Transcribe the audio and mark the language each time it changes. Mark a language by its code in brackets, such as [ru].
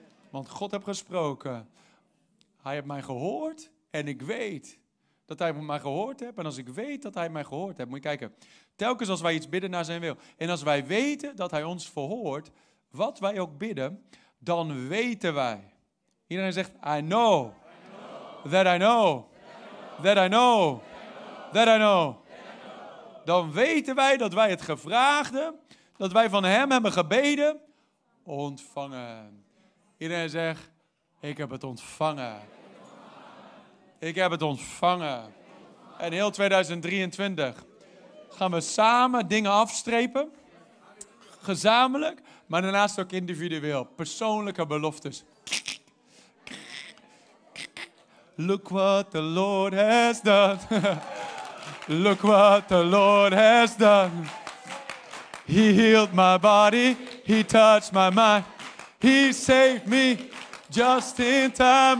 [nl] Want God heeft gesproken. Hij heeft mij gehoord en ik weet dat hij mij gehoord heeft. En als ik weet dat hij mij gehoord heeft, moet je kijken. Telkens als wij iets bidden naar zijn wil. En als wij weten dat hij ons verhoort, wat wij ook bidden, dan weten wij. Iedereen zegt, [en] I know that I know that I know that I know. [nl] Dan weten wij dat wij het gevraagde, dat wij van hem hebben gebeden, ontvangen. Iedereen zegt, ik heb het ontvangen. Ik heb het ontvangen. En heel 2023 gaan we samen dingen afstrepen. Gezamenlijk, maar daarnaast ook individueel. Persoonlijke beloftes. [en] Look what the Lord has done. Look what the Lord has done. He healed my body. He touched my mind. He saved me just in time.